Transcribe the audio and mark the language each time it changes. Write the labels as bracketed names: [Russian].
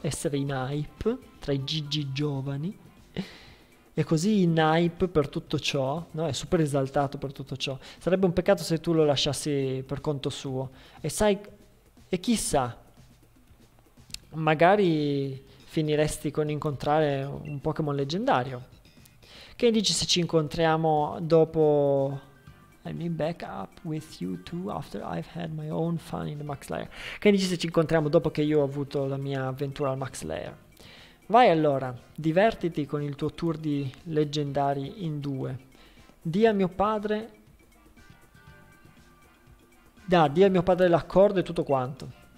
[Italian] Essere in hype tra i GG giovani. È così in hype per tutto ciò, no? È super esaltato per tutto ciò. Sarebbe un peccato se tu lo lasciassi per conto suo. E sai, e chissà, magari finiresti con incontrare un Pokémon leggendario. Che dici se ci incontriamo dopo? [English] I need backup with you too after I've had my own fun in the Max Lair. [Italian] Che dici se ci incontriamo dopo che io ho avuto la mia avventura al Max Lair? Vai allora, divertiti con il tuo tour di leggendari in due. Di a mio padre l'accordo e tutto quanto.